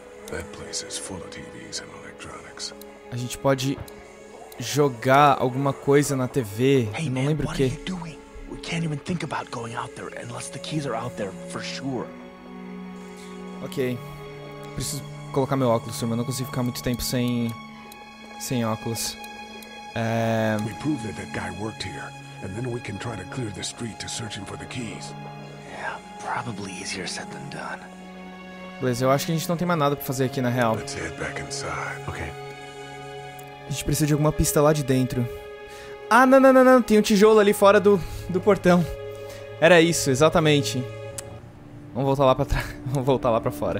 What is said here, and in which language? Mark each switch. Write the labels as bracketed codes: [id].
[en] That place is full of TVs and electronics. [pt] A gente pode jogar alguma coisa na TV. [en] Hey, [pt] não lembro [en] man, [pt] o quê. [en] Can't even think about going out there unless the keys are out there for sure. Okay. [pt] Preciso colocar meu óculos, turma. Eu não consigo ficar muito tempo sem óculos. [en] We prove that guy worked here, and then we can try to clear the street to searching for the keys. Yeah, probably easier said than done. [pt] Beleza, eu acho que a gente não tem mais nada pra fazer aqui na real. [en] Let's head back inside. Okay. [pt] A gente precisa de alguma pista lá de dentro. Ah, não, tem um tijolo ali fora do portão. Era isso, exatamente. Vamos voltar lá pra trás. Vamos voltar lá pra fora.